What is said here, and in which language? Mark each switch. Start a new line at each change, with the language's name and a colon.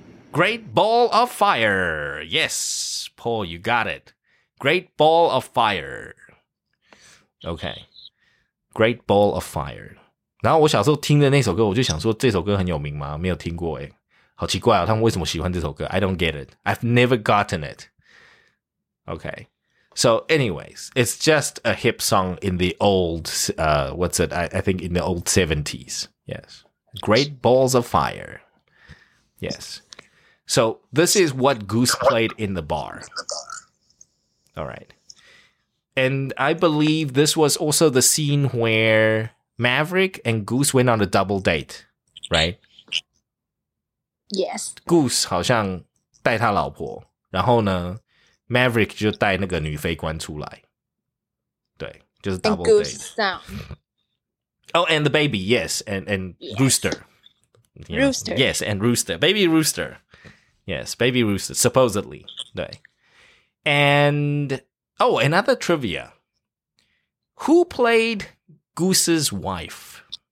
English: Great Ball of Fire. Yes, Paul, you got it. Great Ball of Fire. Okay. Great Ball of Fire.
Chinese: 然后我小时候听的那首歌，我就想说这首歌很有名吗？没有听过耶，好奇怪哦，他们为什么喜欢这首歌？
English: I don't get it. I've never gotten it. Okay. So anyways, it's just a hip song in the old, what's it? I think in the old 70s. Yes. Great Balls of Fire. Yes. So this is what Goose played in the bar. All right. And I believe this was also the scene where Maverick and Goose went on a double date, right? Yes.
Chinese: Goose 好像带他老婆，然后呢 ，Maverick 就带那个女飞官出来。对，就是 double
English: date. And Goose sound. Oh, and the baby, yes, and yes. Rooster. Yeah. Rooster. Yes, and Rooster. Baby Rooster. Yes, baby Rooster, supposedly. 对.And, oh, another trivia. Who played Goose's wife?